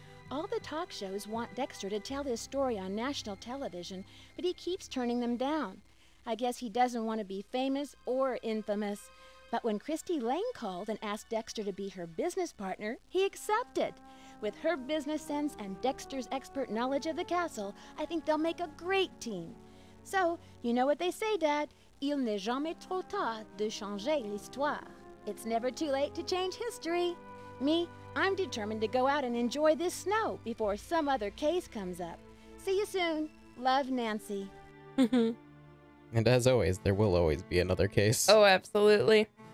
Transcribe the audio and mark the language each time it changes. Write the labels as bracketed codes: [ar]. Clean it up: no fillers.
[en] All the talk shows want Dexter to tell his story on national television, but he keeps turning them down. I guess he doesn't want to be famous or infamous. But when Christy Lane called and asked Dexter to be her business partner, he accepted. With her business sense and Dexter's expert knowledge of the castle, I think they'll make a great team. So, you know what they say, Dad. [fr] Il n'est jamais trop tard de changer l'histoire. [en] It's never too late to change history. Me, I'm determined to go out and enjoy this snow before some other case comes up. See you soon. Love, Nancy. And as always, there will always be another case. Oh, absolutely.